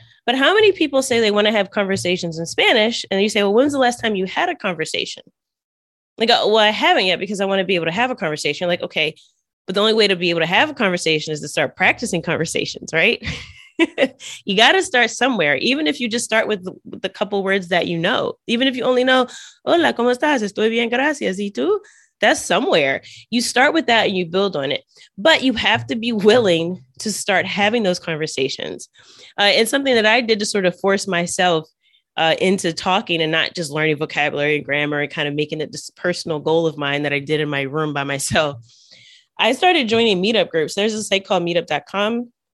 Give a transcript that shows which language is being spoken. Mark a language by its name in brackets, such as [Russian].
[English] But how many people say they want to have conversations in Spanish? And you say, well, when's the last time you had a conversation? Like, oh, well, I haven't yet because I want to be able to have a conversation. You're like, okay, but the only way to be able to have a conversation is to start practicing conversations, right? You got to start somewhere, even if you just start with the couple words that you know. Even if you only know, [Spanish] hola, ¿cómo estás? Estoy bien, gracias. ¿Y tú? [English] That's somewhere. You start with that and you build on it. But you have to be willing to start having those conversations. And something that I did to sort of force myself into talking and not just learning vocabulary and grammar and kind of making it this personal goal of mine that I did in my room by myself, I started joining meetup groups. There's a site called meetup.com.